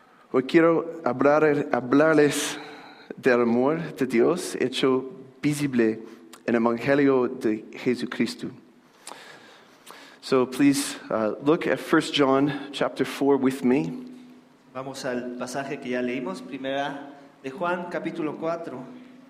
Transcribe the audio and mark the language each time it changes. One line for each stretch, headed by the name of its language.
Spanish: Hoy quiero hablarles del amor de Dios hecho visible en el Evangelio de Jesucristo.
English: So please look at 1 John chapter 4 with me.
Spanish: Vamos al pasaje que ya leímos, primera de Juan capítulo 4.